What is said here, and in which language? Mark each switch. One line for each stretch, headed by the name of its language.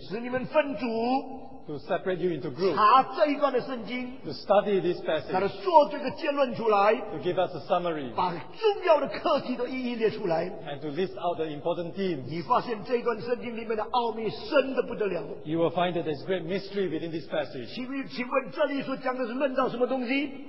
Chinese: 使你们分组
English: ，to separate you into groups，
Chinese: 查这一段的圣经
English: ，to study this passage，
Chinese: 来做这个结论出来
English: ，to give us a summary，
Chinese: 把重要的课题都一一列出来
English: ，and to list out the important themes，
Chinese: 你发现这一段圣经里面的奥秘深得不得了。You
English: will find that there's great mystery within this passage。
Chinese: 请问这里所讲的是论到什么东西